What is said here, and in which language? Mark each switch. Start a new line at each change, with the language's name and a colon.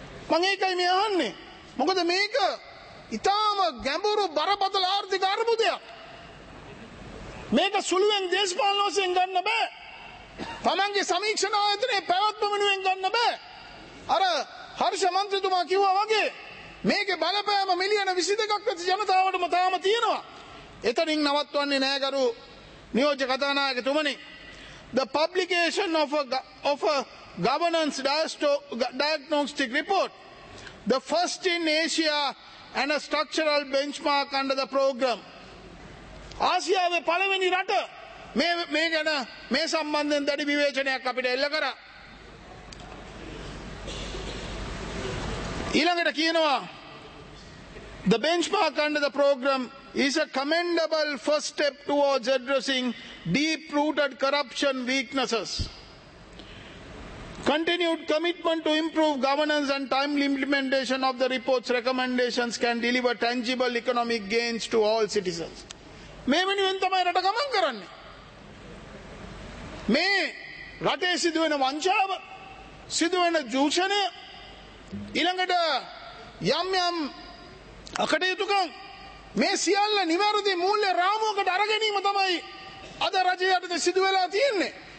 Sinhala: මම ඒකයි මේ අහන්නේ. මොකද මේක ඉතාම ගැඹුරු බරපතල ආර්ථික අර්බුදයක්. මේක සුළුවෙන් දේශපාලන වශයෙන් ගන්න බෑ. තමන්ගේ සමීක්ෂණ ආයතනයේ පැවැත්ම වෙනුවෙන් ගන්න බෑ. අර හර්ෂ මන්ත්‍රීතුමා කිව්වා වගේ මේකේ බලපෑම මිලියන 22ක් වෙච්ච ජනතාවටම තාම තියෙනවා. එතනින් නවත්වන්නේ නෑ ගරු නියෝජ්‍ය කතානායකතුමනි.
English: The publication of a governance diagnostic report, the first in Asia and a structural benchmark under the program.
Sinhala: ආසියාවේ පළවෙනි රට මේ මේ ගැන මේ සම්බන්ධයෙන් දැඩි විවේචනයක් අපිට එල්ල කරා. ඊළඟට කියනවා
English: the benchmark under the program is a commendable first step towards addressing deep-rooted corruption weaknesses. Continued commitment to improve governance and timely implementation of the report's recommendations can deliver tangible economic gains to all citizens.
Sinhala: මේ වෙනුවෙන් තමයි රට ගමන් කරන්නේ. මේ රටේ සිදුවෙන වංචාව, සිදුවෙන දූෂණ, ඊළඟට යම් යම් අකටයුතුකම්, මේ සියල්ල නිවැරදි මූල්‍ය රාමුවකට අරගැනීම තමයි අද රජයට සිදුවෙලා තියෙන්නේ.